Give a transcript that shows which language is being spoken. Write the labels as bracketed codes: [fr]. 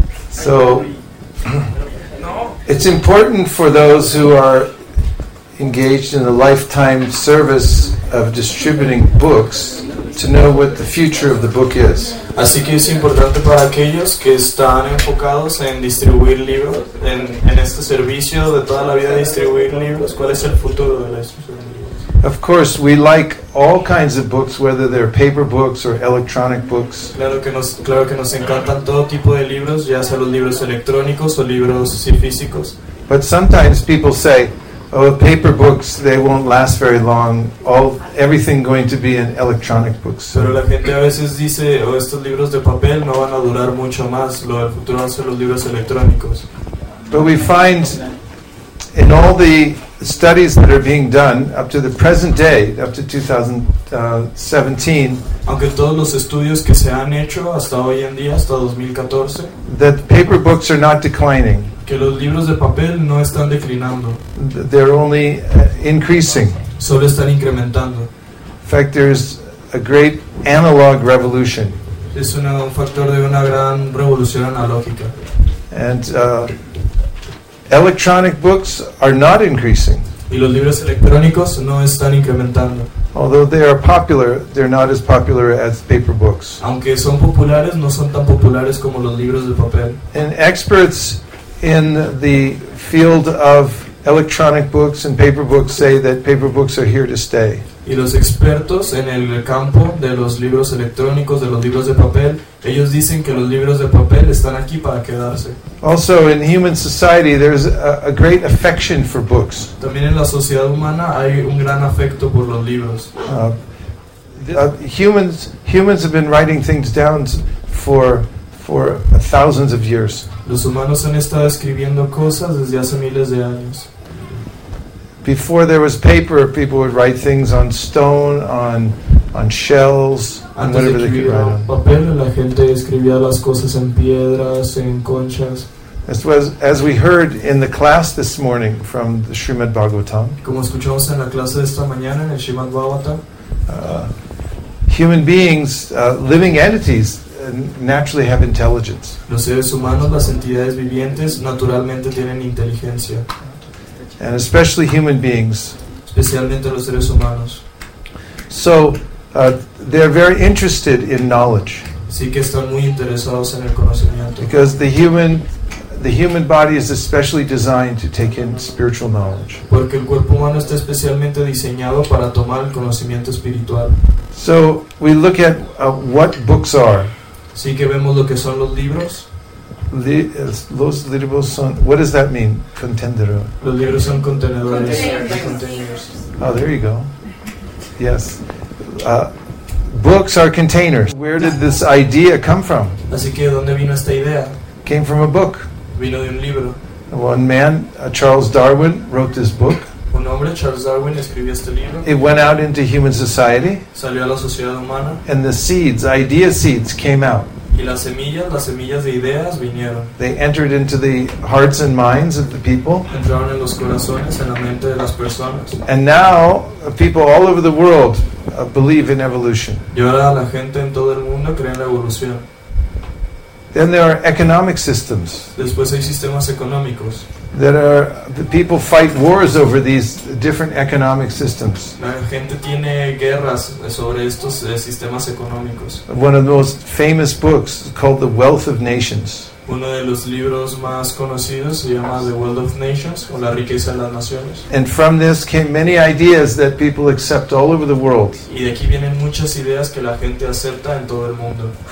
[en] So, it's important for those who are engaged in the lifetime service of distributing books to know what the future of the book is. [es] Así que es importante para aquellos que están enfocados en distribuir libros, en este servicio de toda la vida de distribuir libros, ¿cuál es el futuro de los libros? [en] Of course, we like all kinds of books, whether they're paper books or electronic books. [es] Claro que nos encantan todo tipo de libros, ya sea los libros electrónicos o libros físicos. [en] But sometimes people say, oh, paper books, they won't last very long. Everything going to be in electronic books. [es] Pero la gente a veces dice, oh, estos libros de papel no van a durar mucho más. Lo del futuro van a ser los libros electrónicos. [en] But we find in all the studies that are being done up to the present day, up to 2017, [es] aunque todos los estudios que se han hecho hasta hoy en día, hasta 2014, [en] that paper books are not declining. [es] Que los libros de papel no están declinando. [en] They're only increasing. [es] Solo están incrementando. [en] In fact, there's a great analog revolution. [es] Es un factor de una gran revolución analógica. [en] And electronic books are not increasing. [es] Y los libros electrónicos no están incrementando. [en] Although they are popular, they're not as popular as paper books. [es] Aunque son populares, no son tan populares como los libros de papel. [en] And experts in the field of electronic books and paper books say that paper books are here to stay. [es] Y los expertos en el campo de los libros electrónicos, de los libros de papel, ellos dicen que los libros de papel están aquí para quedarse. [en] Also, in human society, there's a great affection for books. [es] También en la sociedad humana hay un gran afecto por los libros. [en] Humans have been writing things down for thousands of years. [es] Los humanos han estado escribiendo cosas desde hace miles de años. [en] Before there was paper, people would write things on stone, on shells, and whatever they could write on. [es] Papel, la gente escribía las cosas en piedras, en conchas. [en] As we heard in the class this morning from the Srimad Bhagavatam. [es] Como escuchamos en la clase de esta mañana en el Srimad Bhagavatam. [en] Human beings, living entities, naturally have intelligence. [es] Los seres humanos, las entidades vivientes, naturalmente tienen inteligencia. [en] And especially human beings. [es] Especialmente los seres humanos. [en] So, they're very interested in knowledge. [es] Sí que están muy interesados en el conocimiento. [en] Because the human body is especially designed to take in spiritual knowledge. [es] Porque el cuerpo humano está especialmente diseñado para tomar el conocimiento espiritual. [en] So, we look at what books are. [es] Sí que vemos lo que son los libros. Los libros son. [en] What does that mean? [es] Contenedor. Los libros son contenedores. [en] Oh, there you go. Yes. Books are containers. Where did this idea come from? [es] Así que, ¿dónde vino esta idea? [en] Came from a book. [es] Vino de un libro. [en] One man, Charles Darwin, wrote this book. [es] Un hombre, Charles Darwin, escribió este libro. [en] It went out into human society. [es] Salió a la sociedad humana. [en] And the seeds, idea seeds, came out. [es] Y las semillas de ideas vinieron. [en] They entered into the hearts and minds of the people. [es] Entraron en los corazones, en la mente de las personas. [en] And now, people all over the world believe in evolution. [es] Y ahora la gente en todo el mundo. creen la evolución. [en] Then there are economic systems. [es] Después hay sistemas económicos. [en] That are the people fight wars over these different economic systems. [es] La gente tiene guerras sobre estos sistemas económicos. [en] One of the most famous books called The Wealth of Nations. [es] Uno de los libros más conocidos se llama The Wealth of Nations, o La riqueza de las naciones. [en] And from this came many ideas that people accept all over the world. [es] Y de aquí vienen muchas ideas que la gente acepta en todo el mundo.